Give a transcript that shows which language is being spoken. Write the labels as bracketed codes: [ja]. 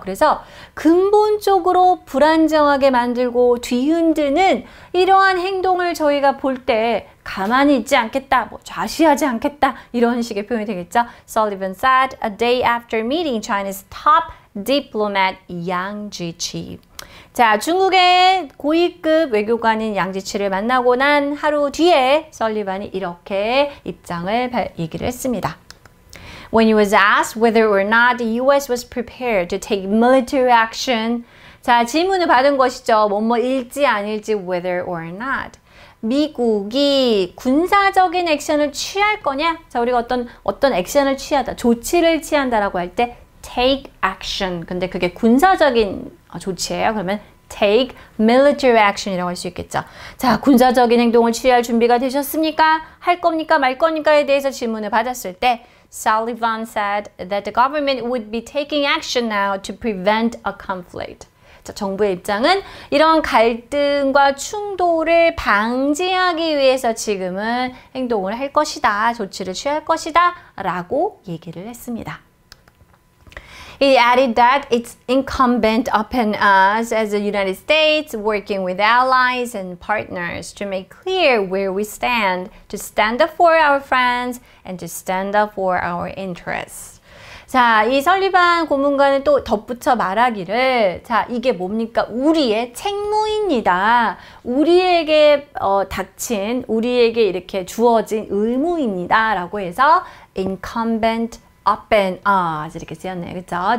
[ko] 그래서 근본적으로 불안정하게 만들고 뒤흔드는 이러한 행동을 저희가 볼 때 가만히 있지 않겠다, 뭐 좌시하지 않겠다 이런 식의 표현이 되겠죠. [en] Sullivan said a day after meeting China's top diplomat Yang Jiqi. [ko] 자, 중국의 고위급 외교관인 양지치를 만나고 난 하루 뒤에 설리반이 이렇게 입장을 얘기를 했습니다. [en] When he was asked whether or not the US was prepared to take military action. [ko] 자, 질문을 받은 것이죠. 뭐뭐 일지 아닐지 [en] whether or not. [ko] 미국이 군사적인 액션을 취할 거냐? 자, 우리가 어떤 액션을 취하다, 조치를 취한다라고 할 때 [en] take action. [ko] 근데 그게 군사적인 조치예요. 그러면 [en] take military action [ko] 이라고 할 수 있겠죠. 자, 군사적인 행동을 취할 준비가 되셨습니까? 할 겁니까? 말 겁니까?에 대해서 질문을 받았을 때 [en] Sullivan said that the government would be taking action now to prevent a conflict. [ko] 자, 정부의 입장은 이런 갈등과 충돌을 방지하기 위해서 지금은 행동을 할 것이다, 조치를 취할 것이다 라고 얘기를 했습니다. [en] He added that it's incumbent upon us as the United States working with allies and partners to make clear where we stand, to stand up for our friends and to stand up for our interests. [ko] 자, 이 설리반 고문관은 또 덧붙여 말하기를, 자, 이게 뭡니까? 우리의 책무입니다. 우리에게 닥친, 우리에게 이렇게 주어진 의무입니다. 라고 해서 [en] incumbent up and us [ko] 이렇게 쓰였네요. 그렇죠?